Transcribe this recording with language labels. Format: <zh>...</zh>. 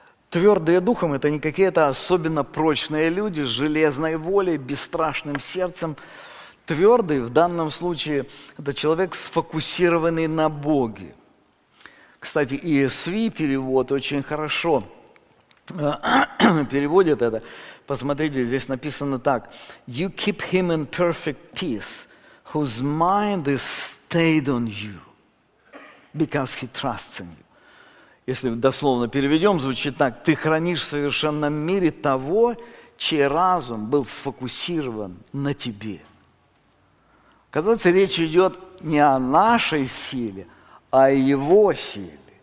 <ru>Твердые духом – это не какие-то особенно прочные люди с железной волей, бесстрашным сердцем. Твердый в данном случае – это человек, сфокусированный на Боге. Кстати, ESV перевод очень хорошо переводит это. Посмотрите, здесь написано так.</ru> <en>«You keep him in perfect peace, whose mind is stayed on you, because he trusts in you».</en> <ru>Если дословно переведем, звучит так. «Ты хранишь в совершенном мире того, чей разум был сфокусирован на тебе». Оказывается, речь идет не о нашей силе, а о его силе.</ru>